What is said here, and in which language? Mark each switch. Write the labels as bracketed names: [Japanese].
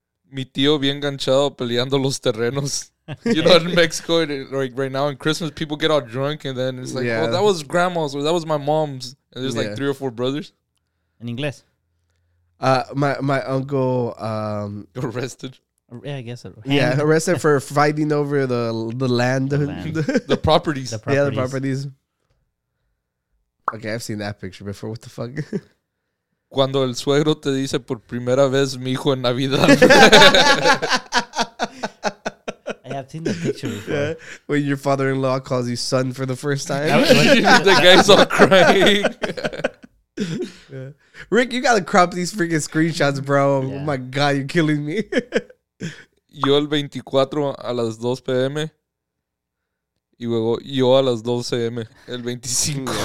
[Spanish] Mi tío bien ganchado peleando los terrenos. [English] You know, in Mexico, like right now in Christmas, people get all drunk and then it's like, that was grandma's or that was my mom's. And there's like three or four brothers. In English. My uncle arrested. Yeah, I guess. Arrested for fighting over the land, the properties. The properties. Okay, I've seen that picture before. What the fuck? [Spanish] Cuando el suegro te dice por primera vez, mi hijo en Navidad. [English] I have seen that picture before. Yeah. When your father-in-law calls you son for the first time, the guy's all crying. Yeah. Rick, you gotta crop these freaking screenshots, bro. Yeah. Oh my god, you're killing me. [Spanish] Yo el 24 a las 2 p.m. y luego yo a las 2 a.m. el 25.